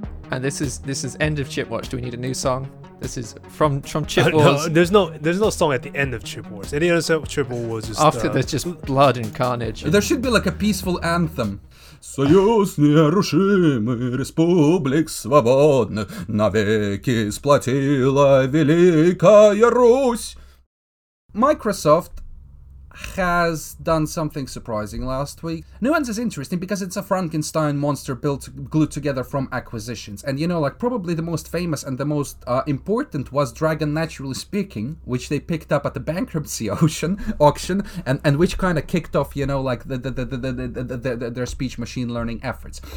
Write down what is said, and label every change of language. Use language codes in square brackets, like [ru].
[en] And this is end of Chip Watch. Do we need a new song? This is from Chip Wars. There's no song at the end of Chip Wars. Any other song, Chip Wars is... After there's just blood and carnage. There should be like a peaceful anthem. [ru] Союз нерушимый, республик свободна, навеки сплотила Великая Русь. [en] Microsoft has done something surprising last week. Nuance is interesting because it's a Frankenstein monster built, glued together from acquisitions. And you know, like, probably the most famous and the most important was Dragon Naturally Speaking, which they picked up at the bankruptcy auction, and which kind of kicked off, you know, like, the their speech machine learning efforts.